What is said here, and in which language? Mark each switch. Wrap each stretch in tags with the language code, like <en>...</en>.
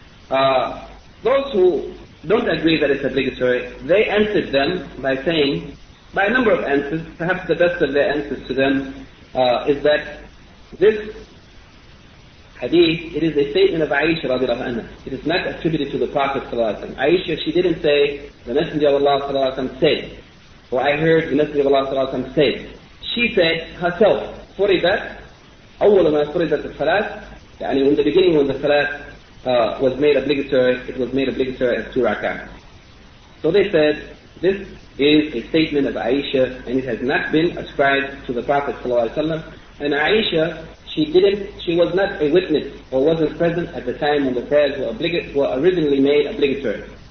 <en>Those who don't agree that it's obligatory, they answered them by saying, by a number of answers, perhaps the best of their answers to them is that this hadith, it is a statement of Aisha radiallahu anha. It is not attributed to the Prophet sallallahu alaihi wasallam. Aisha, she didn't say, the Messenger of Allah sallallahu alaihi wasallam said, or I heard the Messenger of Allah sallallahu alaihi wasallam said. She said herself,</en> <ar>فُرِدَتْ أَوَّلَ مَا فُرِدَتْ الصَّلَاةِ.</ar> <en>And in the beginning, when the salat was made obligatory, it was made obligatory as 2 rak'ah. So they said, this is a statement of Aisha, and it has not been ascribed to the Prophet sallallahu alaihi wasallam. And Aisha, she was not a witness or wasn't present at the time when the prayers were originally made obligatory.</en>